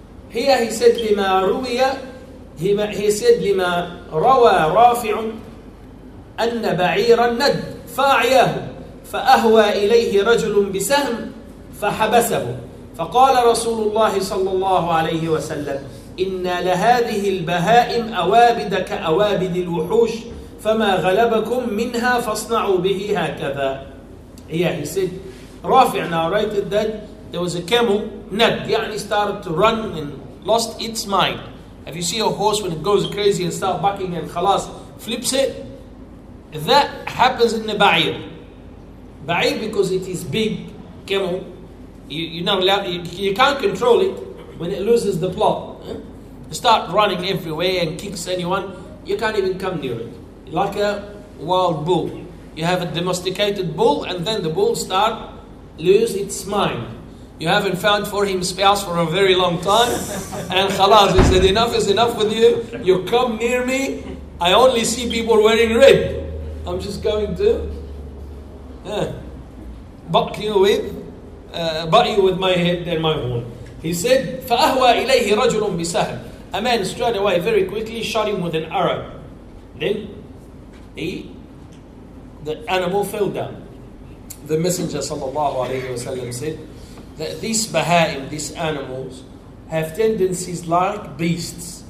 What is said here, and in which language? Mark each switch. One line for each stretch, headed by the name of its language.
English: Here he said
Arabic: لِمَا رُوِيَ,
English: he said
Arabic: لِمَا رَوَى رَافِعٌ أَنَّ بَعِيرًا نَدْ فَأَعْيَاهُ فَأَهْوَى إِلَيْهِ رَجُلٌ بِسَهْمٍ فَحَبَسَهُ فَقَالَ رَسُولُ اللَّهِ صَلَّى اللَّهُ عَلَيْهِ وَسَلَّمُ إن لهذه البهائم أوابد كأوابد الوحوش فما غلبكم منها فاصنعوا به هكذا.
English: Yeah, he said, رافع narrated that there was a camel, ند, يعني started to run and lost its mind. Have you seen a horse when it goes crazy and starts bucking and خلاص flips it? That happens in the بعير. بعير because it is big camel. You can't control it when it loses the plot. Start running everywhere and kicks anyone, you can't even come near it. Like a wild bull. You have a domesticated bull and then the bull start lose its mind. You haven't found for him spouse for a very long time. And khalas, he said, enough is enough with you. You come near me, I only see people wearing red. I'm just going to butt you with my head and my horn. He said,
Arabic: فَأَهْوَى إِلَيْهِ رَجُلٌ بِسَهْمٍ.
English: A man straight away, very quickly, shot him with an arrow. Then, the animal fell down. The Messenger sallallahu alayhi wa sallam said that these baha'im, these animals, have tendencies like beasts.